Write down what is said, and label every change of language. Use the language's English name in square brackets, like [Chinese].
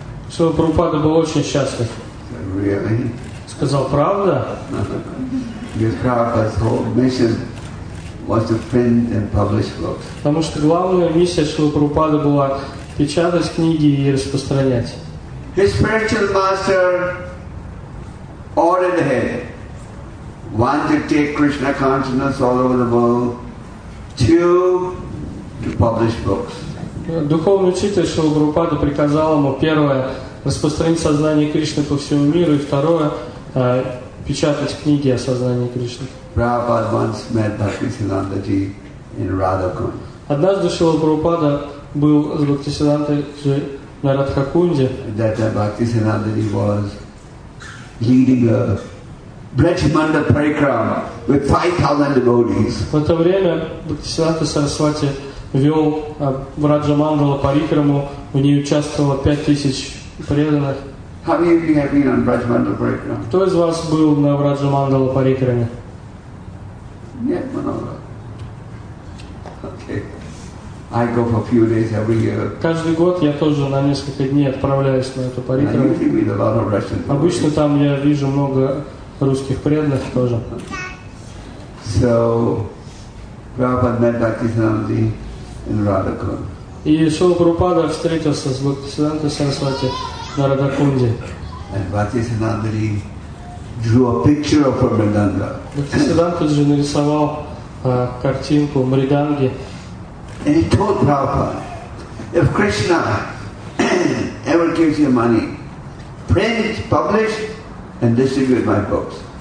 [Russian] Шрила Прабхупада был очень счастлив. [English] Really? [Russian] Сказал, правда? [English] Because Prabhupada's whole mission was to print and publish books. [Russian] Потому что главная миссия Шрила Прабхупада была печатать книги и распространять. [English] His spiritual master ordered him. One, to take Krishna consciousness all over the world. Two, to publish books. [Russian] Духовный учитель Шрила Прабхупада приказал ему, первое, распространить сознание Кришны по всему миру, и второе, печатать книги о сознании Кришны. [English] Prabhupada once met Bhaktisiddhanta Ji in Radhakund. [Russian] Однажды Шрила Прабхупада был с Бхактисиддхантой Ji на Радхакунде. [English] That Bhaktisiddhanta Ji was leading a Brajmanda Parikrama with 5,000 devotees. [Russian] В это время Бхактисиддханта Сарасвати вел Браджамандала Парикраму, в ней участвовало 5,000 преданных. [English] How many of you have been on Brajmanda Parikrama? [Russian] Кто из вас был на Браджамандала Парикраме? Нет, много. [English] Okay. I go for a few days every year. [Russian] Каждый год я тоже на несколько дней отправляюсь на эту Парикраму. [English] I meet a lot of Russian people. [Russian] Обычно там я вижу много русских преданных тоже. [English] So, Prabhupada met Bhaktisiddhanta in Radhakund. [Russian] И Шрила Прабхупада встретился с Бхактисиддхантой Сарасвати на Радхакунде. [English] And Bhaktisiddhanta drew a picture of Мриданга. [Russian] Бхактисиддханта же нарисовал картинку Мриданги. [English] And he told Prabhupada, if Krishna ever gives you money, print, publish, and distribute my books.